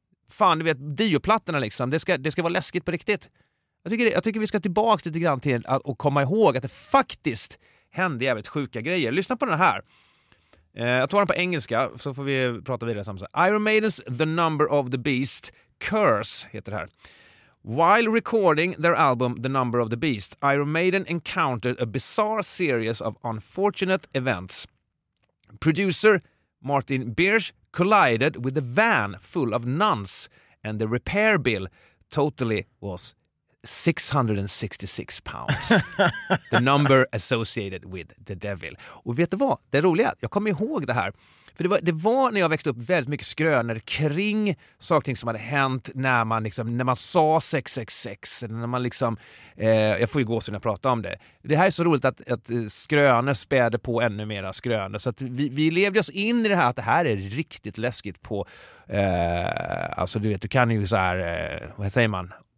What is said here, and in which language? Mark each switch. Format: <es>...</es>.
<sv>Fan, du vet, dioplattorna liksom. Det ska vara läskigt på riktigt. Jag tycker vi ska tillbaka lite grann till att, och komma ihåg att det faktiskt hände jävligt sjuka grejer. Lyssna på den här. Jag tar den på engelska, så får vi prata vidare samma sak. Iron Maiden's The Number of the Beast Curse heter det här.</sv> <en>While recording their album The Number of the Beast, Iron Maiden encountered a bizarre series of unfortunate events. Producer Martin Birch collided with a van full of nuns and the repair bill totally was £666. The number associated with the devil.</en> <sv>Och vet du vad? Det roliga är att jag kommer ihåg det här. För det var när jag växte upp väldigt mycket skrönor kring saker som hade hänt när man liksom, när man sa 666, när man liksom, jag får ju gåsen när jag pratar om det. Det här är så roligt att skrönor spädde på ännu mera skrönor. Så att vi levde oss in i det här, att det här är riktigt läskigt på, alltså du vet, du kan ju så här, vad säger man?</sv>